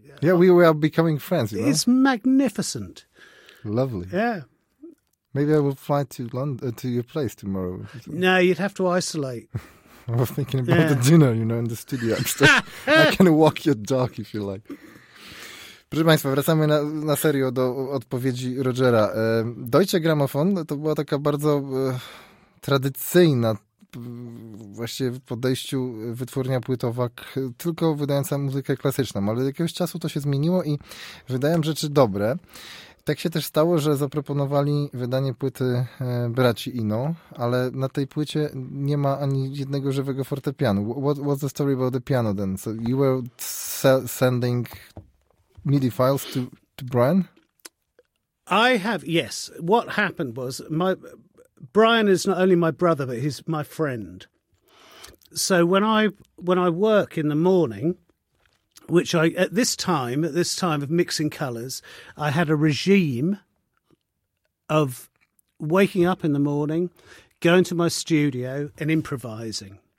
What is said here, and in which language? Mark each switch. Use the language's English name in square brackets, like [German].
[English] Yeah, we were becoming friends. You know? It's magnificent. Lovely. Yeah. Maybe I will fly to London, to your place tomorrow. No, you'd have to isolate. I was thinking about the dinner, you know, in the studio. I can walk your dog if you like. [Polish] Proszę Państwa, wracamy na serio do odpowiedzi Rogera. Deutsche Grammophon to była taka bardzo tradycyjna właśnie w podejściu wytwórnia płytowa, tylko wydająca muzykę klasyczną, ale od jakiegoś czasu to się zmieniło i wydają rzeczy dobre. Tak się też stało, że zaproponowali wydanie płyty braci Eno, ale na tej płycie nie ma ani jednego żywego fortepianu. [English] What's the story about the piano then? So you were sending MIDI files to Brian? I have, yes. What happened was, Brian is not only my brother, but he's my friend. So when I work in the morning, which I, at this time of Mixing Colours, I had a regime of waking up in the morning, going to my studio and improvising.